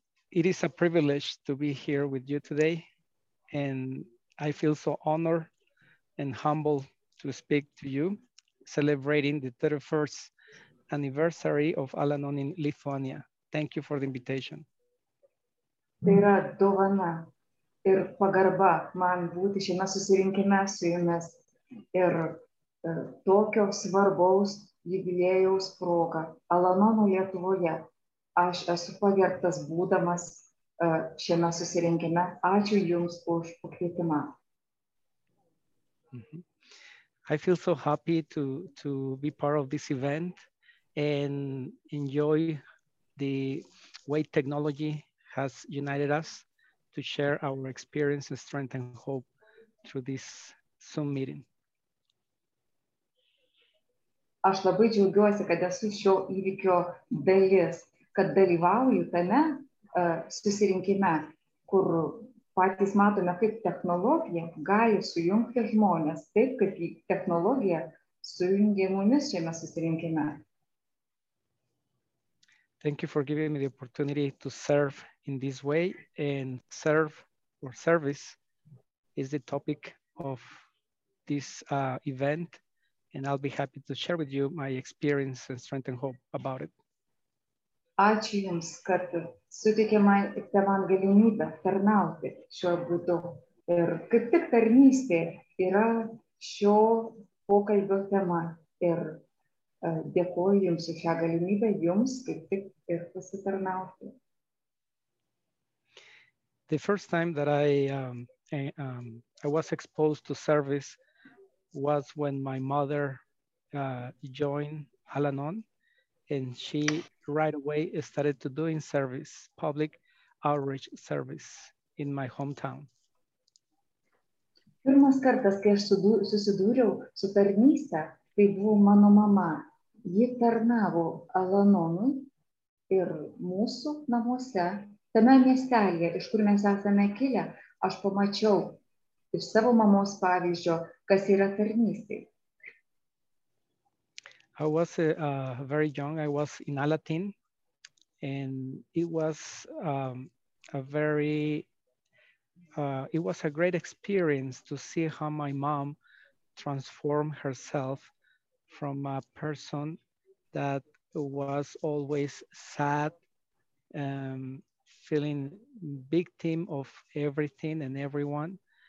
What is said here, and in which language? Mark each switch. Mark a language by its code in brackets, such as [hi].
[en] It is a privilege to be here with you today. And I feel so honored and humbled to speak to you, celebrating the 31st anniversary of Al-Anon in Lithuania. Thank you for the invitation. [lt] Tai yra dovana ir pagarba man būti šiame susirinkime su jumis ir tokio svarbaus jubiliejaus proga Al-Anono Lietuvoje. Aš esu pagerbtas būdamas šiame susirinkime. Ačiū Jums už pakvietimą. [en] I feel so happy to be part of this event and enjoy the way technology has united us to share our experience, strength and hope through this Zoom meeting. [lt] Aš labai džiaugiuosi, kad esu šio įvykio dalis, kad dalyvauju tame susirinkime, kur patys matome, kaip technologija gali sujungti žmonės, taip kaip technologija sujungė mumis šiame susirinkime. [en] Thank you for giving me the opportunity to serve in this way, and serve or service is the topic of this event, and I'll be happy to share with you my experience and strength and hope about it. [lt] Ačiū Jums, kad suteikė man tevam galimybę tarnauti šiuo būdu. Ir kaip tik tarnystė yra šio pokalbio tema. Ir dėkuoju Jums už šią galimybę, Jums kaip tik ir pasitarnauti. [en] The first time that I was exposed to service was when my mother joined Al-Anon, and she right away started to doing service, public outreach service in my hometown. [lt] Pirmas kartas, kai aš susidūriau su tarnyste, tai buvo mano mama. Ji tarnavo Al-Anonui ir mūsų namuose, tame miestelėje, iš kur mes esame kilę, aš pamačiau iš savo mamos pavyzdžio, kas yra tarnystė. [en] I was very young. I was in Alatin, and it was a great experience to see how my mom transformed herself from a person that was always sad, feeling victim of everything and everyone.